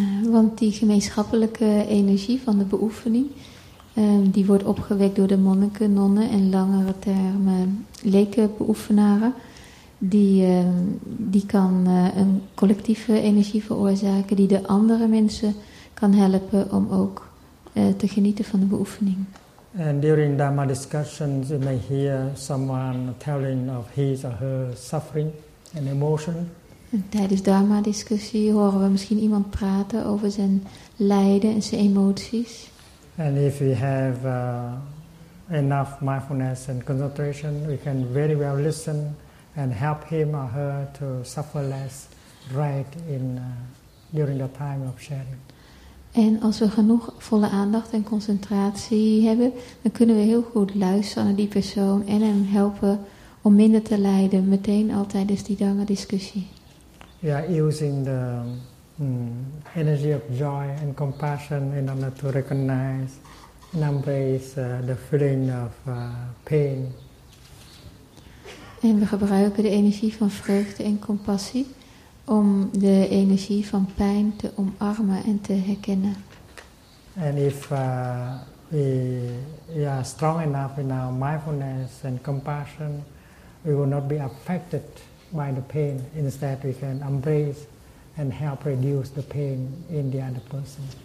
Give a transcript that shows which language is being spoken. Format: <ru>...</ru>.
<nl>Want die gemeenschappelijke energie van de beoefening die wordt opgewekt door de monniken, nonnen en langere termen lekenbeoefenaren. Die kan een collectieve energie veroorzaken die de andere mensen kan helpen om ook te genieten van de beoefening.</nl> <en>And during Dharma discussions you may hear someone telling of his or her suffering and emotion.</en> <nl>En tijdens Dharma discussie horen we misschien iemand praten over zijn lijden en zijn emoties.</nl> <en>And if we have enough mindfulness and concentration, we can very well listen and help him or her to suffer less right in during the time of sharing.</en> <nl>En als we genoeg volle aandacht en concentratie hebben, dan kunnen we heel goed luisteren naar die persoon en hem helpen om minder te lijden, meteen al tijdens die lange discussie.</nl> <en>We are using the energy of joy and compassion in order to recognize and embrace the feeling of pain.</en> <nl>En we gebruiken de energie van vreugde en compassie om de energie van pijn te omarmen en te herkennen.</nl> <en>And if we are strong enough in our mindfulness and compassion, we will not be affected by the pain. Instead, we can embrace and help reduce the pain in the other person.</en>